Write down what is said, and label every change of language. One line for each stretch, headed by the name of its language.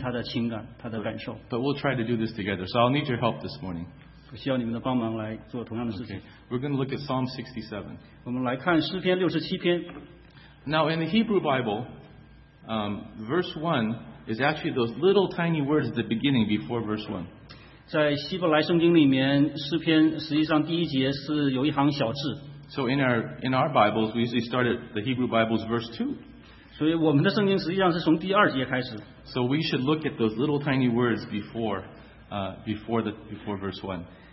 Chinese: 对我来讲很难去分析它的情感，它的感受。
English: But we'll try to do this together. So I'll need your help this morning.
Chinese: 我需要你们的帮忙来做同样的事情。
English: Okay. We're going to look at Psalm 67.
Chinese: 我们来看诗篇67篇。
English: Now in the Hebrew Bible, verse 1 is actually those little tiny words at the beginning before verse 1.
Chinese: 在希伯来圣经里面，诗篇实际上第一节是有一行小字。
English: So in our Bibles, we usually start at the Hebrew Bible's verse 2.
Chinese: 所以我们的圣经实际上是从第二节开始。
English: So we should look at those little tiny words before verse 1.